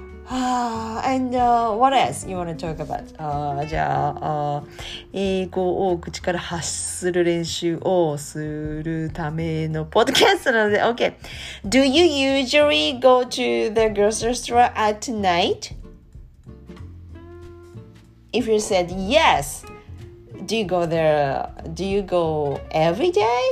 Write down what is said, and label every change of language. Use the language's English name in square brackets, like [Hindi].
[English] and what else you want to talk about? [Japanese] じゃあ、英語を口から発する練習をするためのポッドキャストなので、 [English] Okay. Do you usually go to the grocery store at night? If you said yes, do you go there? Do you go every day?